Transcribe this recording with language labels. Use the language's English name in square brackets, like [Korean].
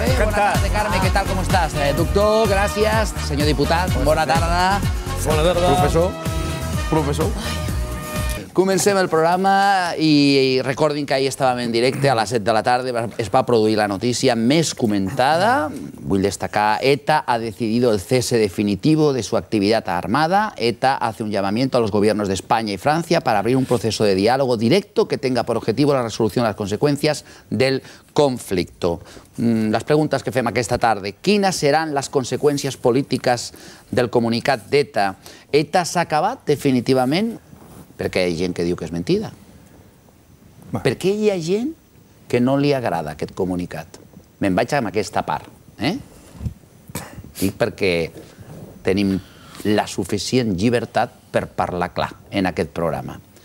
[Catalan] Bona tarda, Carme, què tal, com estàs? Doctor, gràcies, senyor diputat, bona tarda. Bona tarda. Professor. Professor. Comencem el programa i recordin que ahir estàvem en directe a les 7 de la tarda. Es va produir la notícia més comentada. Vull destacar, [Spanish] ETA ha decidido el cese definitivo de su actividad armada. ETA hace un llamamiento a los gobiernos de España y Francia para abrir un proceso de diálogo directo que tenga por objetivo la resolución de las consecuencias del conflicto. [Catalan] Les preguntes que fem aquesta tarda. Quines seran les conseqüències polítiques del comunicat d'ETA? ETA s'ha acabat definitivament? Perquè hi ha gent que diu que és mentida. Per què hi ha gent que no li agrada aquest comunicat? Me'n vaig amb aquesta part. Dic perquè tenim la suficient llibertat per parlar clar en aquest programa.